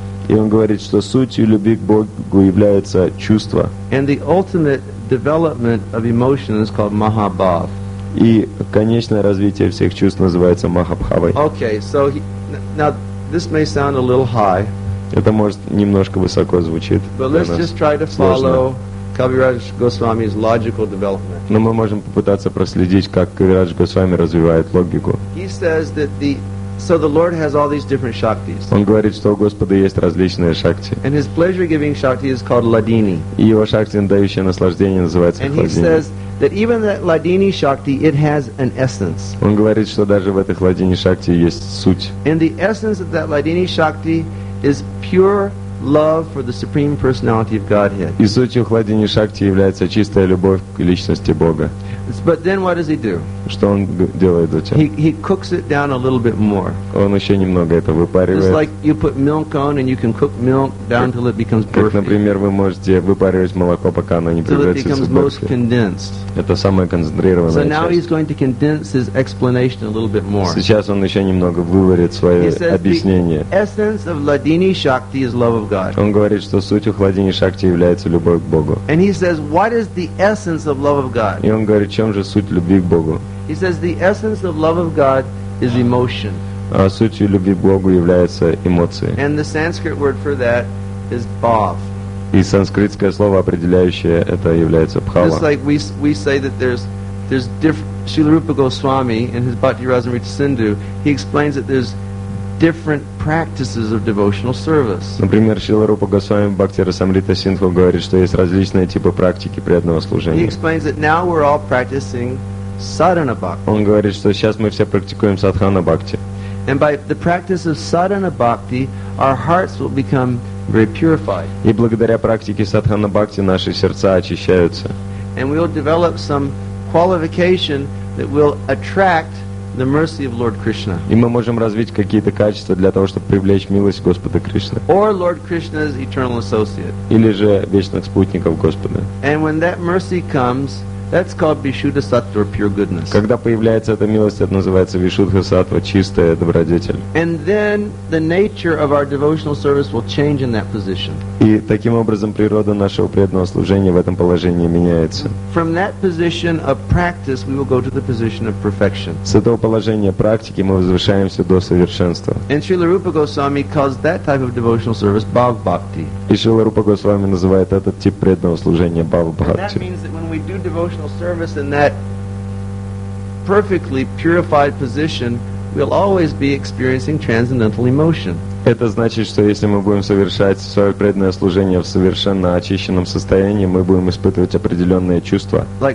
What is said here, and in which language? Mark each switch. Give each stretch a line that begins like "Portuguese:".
Russian: И он говорит, что сутью любви к Богу является чувство.
English: And the ultimate development of emotion is called Mahabhav.
Russian: И конечное развитие всех чувств называется Махабхавой.
English: Okay, so now this may sound a little high.
Russian: Это может немножко высоко звучит.
English: But let's just try to follow Kaviraj Goswami's logical development.
Russian: Но мы можем попытаться проследить, как Кавирадж Госвами развивает логику.
English: He says that the Lord has all these different shaktis.
Russian: Он говорит, что у Господа есть различные шакти.
English: And His pleasure-giving shakti is called Ladini.
Russian: И его шакти, дающая наслаждение, называется Хладини.
English: And he says that even that Ladini shakti, it has an essence.
Russian: Он говорит, что даже в этой Ладини шакти есть суть.
English: And the essence of that Ladini shakti is pure love for the Supreme Personality of Godhead.
Russian: И сутью Хладини Шакти является чистая любовь к личности Бога.
English: But then what does he do?
Russian: Что он делает затем?
English: He cooks it down a little bit more.
Russian: Он еще немного это выпаривает.
English: It's like you put milk on and you can cook milk down till it becomes perfect.
Russian: Как, например, вы можете выпаривать молоко, пока оно не превратится в
English: perfect. It becomes most condensed.
Russian: Это самая концентрированная часть.
English: So now
Russian: часть.
English: He's going to condense his explanation a little bit more.
Russian: Сейчас он еще немного выварит свое объяснение.
English: The essence of Ladini Shakti is love of God.
Russian: Он говорит, что суть Хладини Шакти является любовь к Богу.
English: And he says, what is the essence of love of God?
Russian: И он говорит, в чем же суть любви к Богу?
English: He says the essence of love of God is emotion.
Russian: А сутью любви к Богу является эмоции.
English: And the Sanskrit word for that is bhav.
Russian: И санскритское слово, определяющее это, является бхава.
English: Just like we say that there's different. Srila Rupa Goswami in his Bhakti Rasamrita Sindhu, he explains that there's different practices of devotional service.
Russian: Например, Шрила Рупа Госвами в Бхакти Расамрита Синдху говорит, что есть различные типы практики преданного служения.
English: He explains that now we're all practicing sadhana bhakti.
Russian: Он говорит, что сейчас мы все практикуем садхана бхакти.
English: And by the practice of sadhana bhakti, our hearts will become very purified.
Russian: И благодаря практике садхана бхакти наши сердца очищаются.
English: And we'll develop some qualification that will attract the mercy of Lord Krishna.
Russian: И мы можем развить какие-то качества для того, чтобы привлечь милость Господа Кришны.
English: Or Lord Krishna's eternal associate.
Russian: Или же вечных спутников Господа.
English: And when that mercy comes, that's called Vishuddha Sattva, pure goodness.
Russian: Когда появляется эта милость, это называется Вишудха Сатва, чистая добродетель.
English: And then the nature of our devotional service will change in that position.
Russian: И таким образом природа нашего преданного служения в этом положении меняется.
English: From that position of practice, we will go to the position of perfection.
Russian: С этого положения практики мы возвышаемся до совершенства.
English: And Srila Rupa Goswami calls that type of devotional service Bhav Bhakti.
Russian: И Srila Rupa Goswami называет этот тип преданного служения Bhav Bhakti.
English: Devotional service in that perfectly purified position, we'll always be experiencing transcendental emotion.
Russian: Это значит, что если мы будем совершать свое преданное служение в совершенно очищенном состоянии, мы будем испытывать определенные чувства.